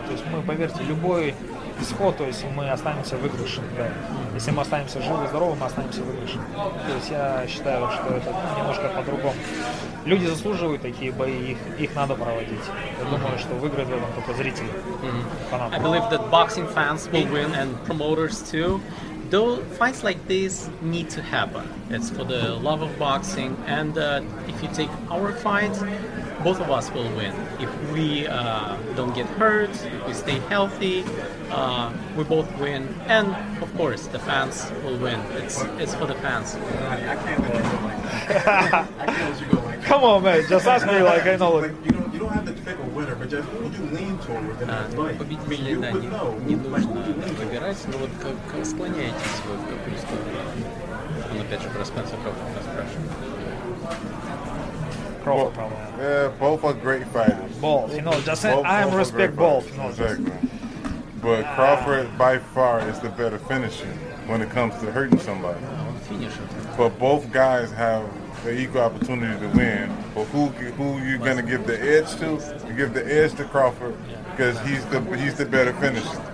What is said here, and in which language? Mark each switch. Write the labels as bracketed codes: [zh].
[ru] То есть мы, поверьте, любой исход, то есть мы останемся выигрышем. Да. Если мы останемся живы и здоровы, мы останемся выигрышем. То есть я считаю, что это немножко по-другому. Люди заслуживают такие бои, их надо проводить. Я думаю, что выиграет в этом только зрители. [en] I believe that boxing fans will win and promoters too. Though fights like this need to happen. It's for the love of boxing. And if you take our fight, both of us will win. If we don't get hurt, if we stay healthy, we both win. And of course, the fans will win. It's for the fans. I can't let you go like that. I can't let you go like that. Come on, man. Just ask me like I know. Like, you don't have to pick a winner, but just who do you lean towards in that fight? You would know. [ru] Не нужно выбирать, но вот как склоняетесь вы в какую сторону? Он опять же про Спенсер Кроуфорда спрашивает. [en] Yeah, both are great fighters. Both, you know, just both, I both respect both. You know, exactly. But Crawford, by far, is the better finisher when it comes to hurting somebody. But both guys have the equal opportunity to win. But who you gonna give the edge to? You give the edge to Crawford because he's the better finisher.